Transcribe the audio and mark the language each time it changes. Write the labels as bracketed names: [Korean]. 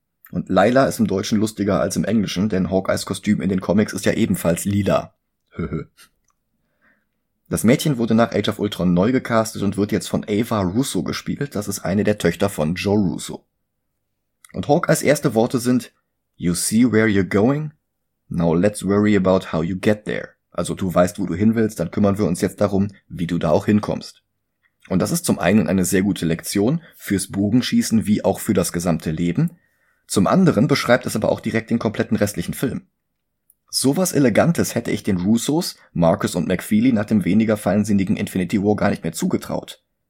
[German] Und Layla ist im Deutschen lustiger als im Englischen, denn Hawkeyes Kostüm in den Comics ist ja ebenfalls lila. Höhö. Das Mädchen wurde nach Age of Ultron neu gecastet und wird jetzt von Ava Russo gespielt, das ist eine der Töchter von Joe Russo. Und Hawkeyes erste Worte sind, [English] "You see where you're going? Now let's worry about how you get there." [German] Also du weißt, wo du hin willst, dann kümmern wir uns jetzt darum, wie du da auch hinkommst. Und das ist zum einen eine sehr gute Lektion fürs Bogenschießen wie auch für das gesamte Leben. Zum anderen beschreibt es aber auch direkt den kompletten restlichen Film. Sowas Elegantes hätte ich den Russos, Marcus und McFeely nach dem weniger feinsinnigen Infinity War gar nicht mehr zugetraut.